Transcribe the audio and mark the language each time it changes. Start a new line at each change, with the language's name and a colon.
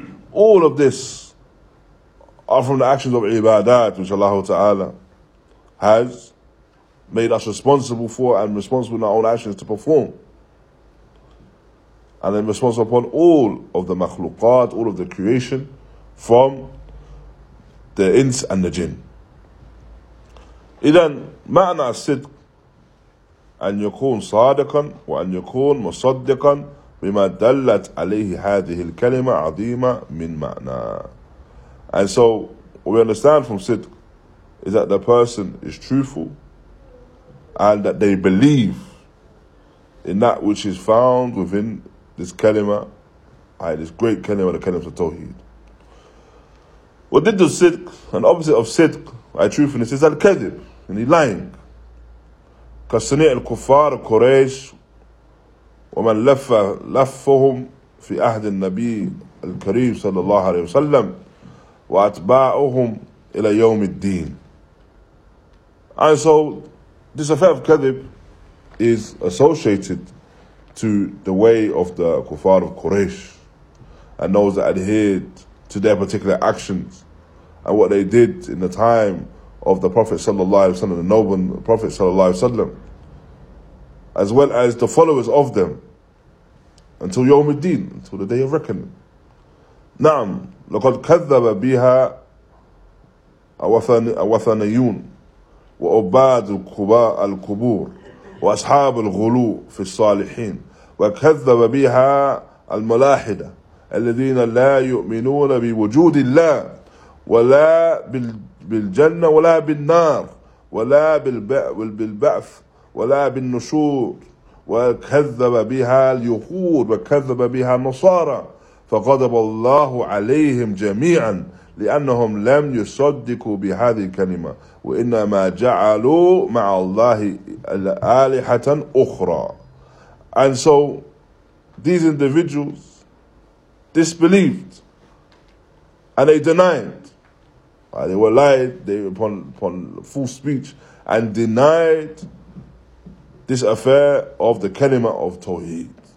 English: All of this are from the actions of ibadat, which Allah Ta'ala has made us responsible for, and responsible in our own actions to perform. And then responsible upon all of the makhluqat, all of the creation, from the ins and the jinn.
Arabic: إذن معنى الصدق أن يكون صادقا وأن يكون مصدقا بما دلت عليه هذه الكلمة عظيمة من معنى.
English: And so what we understand from صدق is that the person is truthful and that they believe in that which is found within this kalima, this great kalima, the kalima of Tawheed. What did the sidq, and opposite of sidq, truthfulness, is al-kadib, and he's lying.
Arabic: كَسْنِعِ الْكُفَّارِ قُرَيْشِ وَمَنْ لَفَّهُمْ فِي أَهْدِ النَّبِيِّ الْكَرِيمِ صلى الله عليه وسلم وَأَتْبَاعُهُمْ إِلَى يَوْمِ الدِّينِ.
English: And so, this affair of kadib is associated to the way of the Kufar of Quraysh, and those that adhered to their particular actions and what they did in the time of the Prophet sallallahu alaihi wasallam, the noble Prophet sallallahu alaihi wasallam, as well as the followers of them until Yawm al-Din, until the day of reckoning.
Arabic: Naam, لقد كذب بها وثنيون وعباد القبور وأصحاب الغلو في الصالحين وكذب بها الملاحدة الذين لا يؤمنون بوجود الله ولا بالجنة ولا بالنار ولا بالبعث ولا بالنشور وكذب بها اليهود وكذب بها النصارى فغضب الله عليهم جميعا لأنهم لم يصدقوا بهذه الكلمة وإنما جعلوا مع الله آلهة أخرى.
English: And so these individuals disbelieved and they denied. They were lied, they upon full speech and denied this affair of the kalima of Tawheed.